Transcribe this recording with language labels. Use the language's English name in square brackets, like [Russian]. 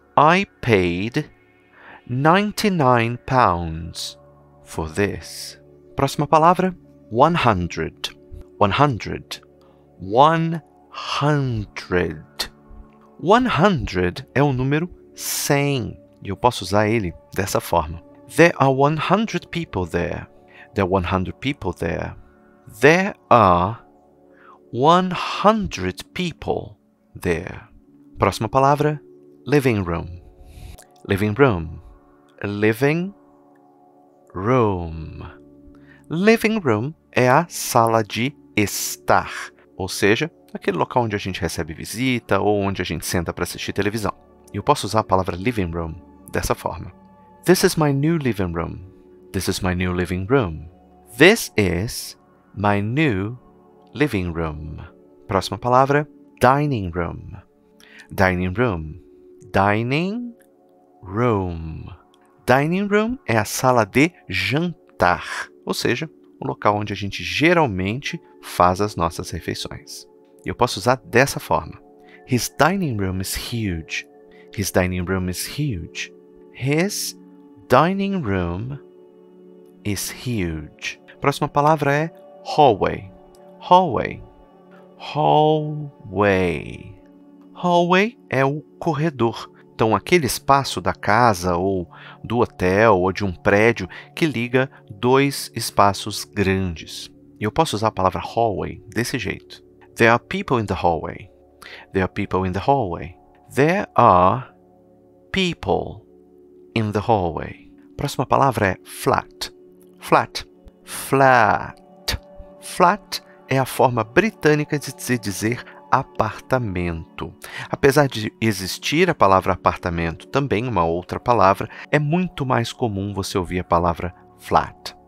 [English] I paid 99 pounds for this. [Portuguese] Próxima palavra, 100. 100. 100. 100 é o número 100, e eu posso usar ele dessa forma. [English] There are 100 people there. There are 100 people there. There are 100 people there. [Portuguese] Próxima palavra, living room. Living room. Living room. Living room é a sala de estar, ou seja, aquele local onde a gente recebe visita ou onde a gente senta para assistir televisão. Eu posso usar a palavra living room dessa forma. [English] This is my new living room. This is my new living room. This is my new living room. [Portuguese] Próxima palavra, dining room. Dining room. Dining room. Dining room é a sala de jantar, ou seja, o local onde a gente geralmente faz as nossas refeições. Eu posso usar dessa forma. [English] His dining room is huge. His dining room is huge. His dining room is huge. [Portuguese] Próxima palavra é hallway. Hallway. Hallway. Hallway é o corredor. Então, aquele espaço da casa ou do hotel ou de um prédio que liga dois espaços grandes. E eu posso usar a palavra hallway desse jeito. [English] There are people in the hallway. There are people in the hallway. There are people in the hallway. [Portuguese] Próxima palavra é flat. Flat. Flat. Flat é a forma britânica de se dizer apartamento. Apesar de existir a palavra apartamento, também uma outra palavra, é muito mais comum você ouvir a palavra flat.